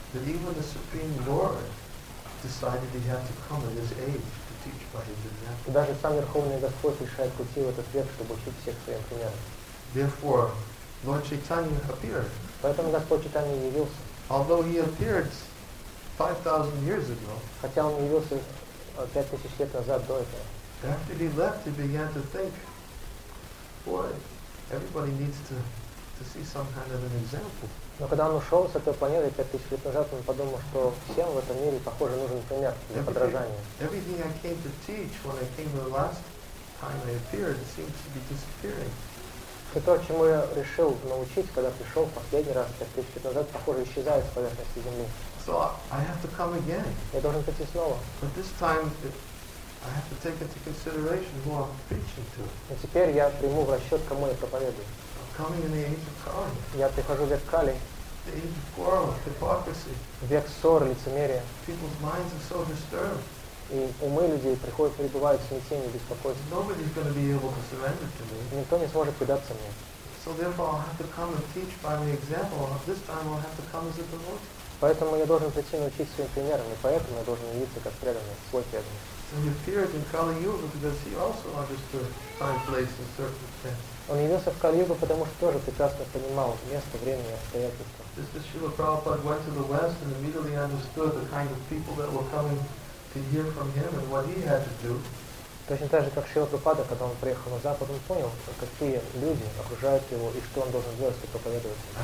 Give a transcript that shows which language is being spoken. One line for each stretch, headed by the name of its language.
English: That even the Supreme Lord decided he had to come at his age to teach by his example.
Russian: Даже сам Верховный Господь решает прийти в этот век, чтобы учить всех своим примером.
English: Therefore, Lord Chaitanya appeared.
Russian: Поэтому Господь Чайтанья явился.
English: Although he appeared 5,000 years ago.
Russian: Хотя он явился 5,000 лет назад до этого.
English: After he left, he began to think, boy, everybody needs to see some kind of an example.
Russian: Но когда он ушел с этой планеты 5000 лет назад, он подумал, что всем в этом мире, похоже, нужен пример для подражания.
English: Everything I came to teach when I came the last time I appeared seems to be disappearing.
Russian: Все то, чему я решил научить, когда пришел в последний раз 5000 лет назад, похоже, исчезает с поверхности Земли.
English: So I have to come again.
Russian: Я должен прийти снова.
English: But this time I have to take into consideration who I'm preaching to.
Russian: И теперь я приму в расчет, кому я проповедую.
English: Coming in the age of Kali.
Russian: Я прихожу в век Кали.
English: The age of quarrel, hypocrisy.
Russian: Век ссор, лицемерия.
English: People's minds are so disturbed.
Russian: И умы людей приходят, пребывают в смятении, беспокойстве.
English: Nobody's going to be able to surrender to me.
Russian: Никто не сможет предаться мне.
English: So therefore, I'll have to come and teach by the example. This time, I'll have to come as a devotee.
Russian: Поэтому я должен прийти научить своим примером, и поэтому я должен явиться как преданный, свой преданный.
English: So he appeared in Kali Yuga because he also understood time, place, and circumstance.
Russian: Он явился в Кали-Югу, потому что тоже прекрасно понимал место, время и обстоятельства.
English: Mr. Srila Prabhupada went to the West and immediately understood the kind of people that were coming to hear from him and what he had to do.
Russian: Точно так же, как Шрила Прабхупада, когда он приехал на Запад, он понял, какие люди окружают его и что он должен делать, чтобы проповедовать.